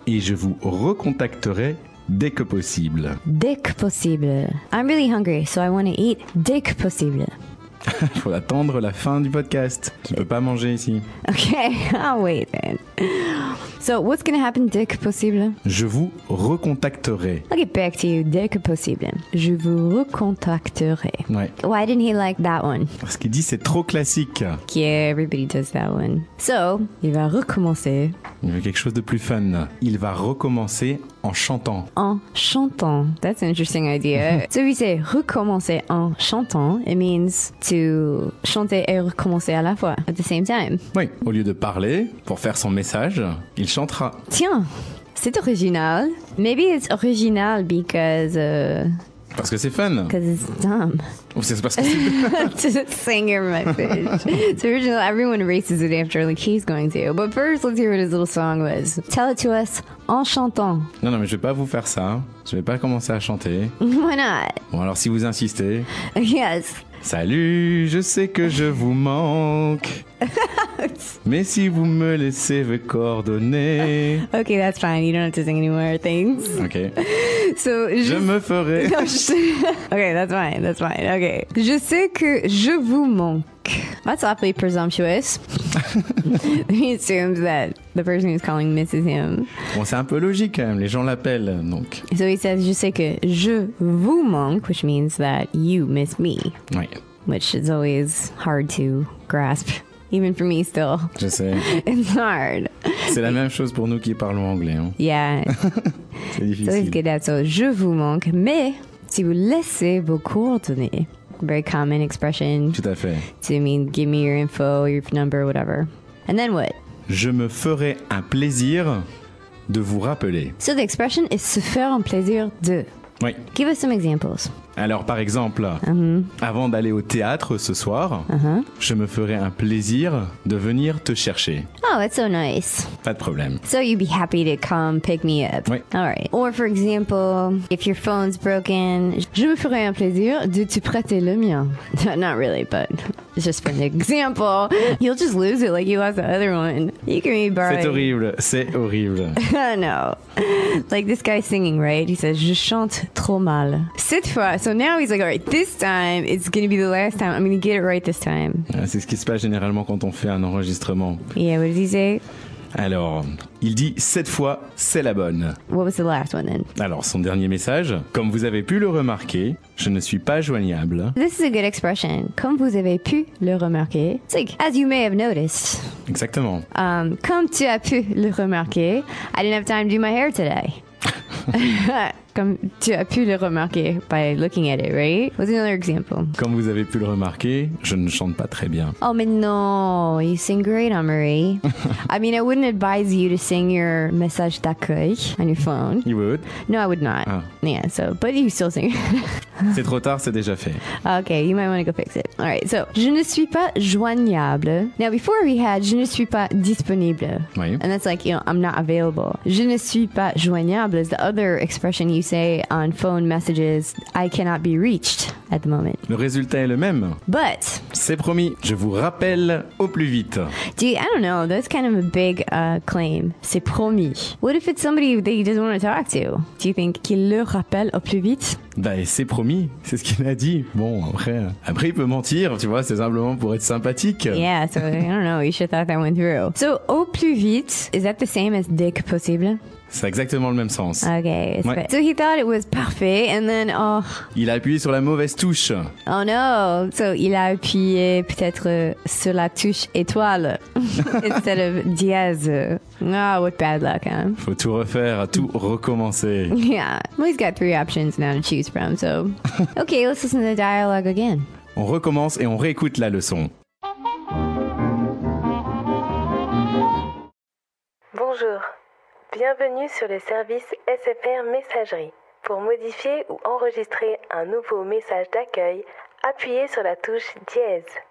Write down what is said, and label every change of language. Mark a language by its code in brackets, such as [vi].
[fr] Et je vous recontacterai dès que possible. Dès que possible. [en] I'm really hungry, so I want to eat [fr] dès que possible. Il faut attendre la fin du podcast. Tu ne peux pas manger ici. [en] Okay, I'll wait then. So, what's going to happen [fr] dès que possible? Je vous recontacterai. [en] I'll get back to you [fr] dès que possible. Je vous recontacterai. Ouais. [en] Why didn't he like that one? [fr] Parce qu'il dit c'est trop classique. [en] Yeah, everybody does that one. [fr] So, il va recommencer. Il veut quelque chose de plus fun. Il va recommencer en chantant. En chantant. [en] That's an interesting idea. So, if you say [fr] recommencer en chantant, [en] it means to [fr] chanter et recommencer à la fois, [en] at the same time. [fr] Oui, au lieu de parler, pour faire son message, il chantera. Tiens, c'est original. [en] Maybe it's original because... [fr] Parce que c'est fun. [en] Because it's dumb. [fr] Ou c'est parce que c'est... [en] To sing your message. It's original. Everyone erases it after, like he's going to. But first, let's hear what his little song was. Tell it to us [fr] en chantant. Non, non, mais je vais pas vous faire ça. Je vais pas commencer à chanter. [en] Why not? [fr] Bon, alors si vous insistez... [en] Yes. [fr] Salut, je sais que je vous manque. Mais si vous me laissez vos coordonnées. [en] Okay, that's fine. You don't have to sing anymore. Thanks. Okay. So, [fr] je me ferai. [en] No, okay, that's fine. That's fine. Okay. [fr] Je sais que je vous manque. [en] That's awfully presumptuous. He assumes that the person who's calling misses him. [fr] Bon, c'est un peu logique quand même. Les gens l'appellent, donc. [en] So he says, [fr] je sais que je vous manque, [en] which means that you miss me. [fr] Oui. [en] Which is always hard to grasp. Even for me still. [fr] Je sais. [en] It's hard. [fr] C'est la même chose pour nous qui parlons anglais. Hein? [en] Yeah. [fr] C'est difficile. [en] So it's good that so [fr] je vous manque, mais si vous laissez vos coordonnées. [en] Very common expression. Tout à fait. To mean give me your info, your number, whatever. And then what? [fr] Je me ferai un plaisir de vous rappeler. [en] So the expression is [fr] se faire un plaisir de. Oui. [en] Give us some examples. [fr] Alors, par exemple, avant d'aller au théâtre ce soir, je me ferai un plaisir de venir te chercher. Oh, that's so nice. Pas de problème. [en] So you'd be happy to come pick me up. [fr] Oui. [en] All right. Or, for example, if your phone's broken, [fr] je me ferai un plaisir de te prêter le mien. [en] Not really, but just for an example. You'll just lose it like you lost the other one. You can be borrowing. [fr] C'est horrible. C'est horrible. [en] No. Like this guy singing, right? He says, [fr] je chante trop mal. Cette fois, [en] so now he's like, all right, this time, it's going to be the last time. I'm going to get it right this time. [fr] C'est ce qui se passe généralement quand on fait un enregistrement. [en] Yeah, what did he say? [fr] Alors, il dit, cette fois, c'est la bonne. [en] What was the last one then? [fr] Alors, son dernier message. Comme vous avez pu le remarquer, je ne suis pas joignable. [en] This is a good expression. [fr] Comme vous avez pu le remarquer. [en] It's like, as you may have noticed. [fr] Exactement. Comme tu as pu le remarquer, [en] I didn't have time to do my hair today. [fr] Comme tu as pu le remarquer [en] by looking at it, right? What's another example? [fr] Comme vous avez pu le remarquer, je ne chante pas très bien. [en] Oh, [fr] mais non, [en] you sing great, Amory. I mean, I wouldn't advise you to sing your message d'accueil on your phone. You would? No, I would not. Ah. Yeah, so, but you still sing. [fr] C'est trop tard, c'est déjà fait. [en] Okay, you might want to go fix it. All right, so, [fr] je ne suis pas joignable. [en] Now, before we had, [fr] je ne suis pas disponible. Oui. [en] And that's like, you know, I'm not available. [fr] Je ne suis pas joignable [en] is the other expression you say on phone messages, I cannot be reached at the moment. [fr] Le résultat est le même. [en] But. [fr] C'est promis, je vous rappelle au plus vite. [en] Dude, I don't know, that's kind of a big claim. [fr] C'est promis. [en] What if it's somebody that he doesn't want to talk to? Do you think [fr] qu'il le rappelle au plus vite? Bah, c'est promis, c'est ce qu'il a dit. Bon, après, il peut mentir, tu vois, c'est simplement pour être sympathique. [en] Yeah, so I don't know, you should have thought that went through. So, [fr] au plus vite, [en] is that the same as [fr] dès que possible? C'est exactement le même sens. Ok. Ouais. [en] So he thought it was parfait, and then, oh. [fr] Il a appuyé sur la mauvaise touche. [en] Oh no. [fr] So il a appuyé peut-être sur la touche étoile [en] instead of [fr] dièse. [en] Oh, what bad luck, hein? [fr] Faut tout refaire, tout recommencer. [en] Yeah. Well, he's got three options now to choose from, so. Ok, let's listen to the dialogue again. [fr] On recommence et on réécoute la leçon. Bonjour, bienvenue sur le service SFR Messagerie. Pour modifier ou enregistrer un nouveau message d'accueil, appuyez sur la touche dièse.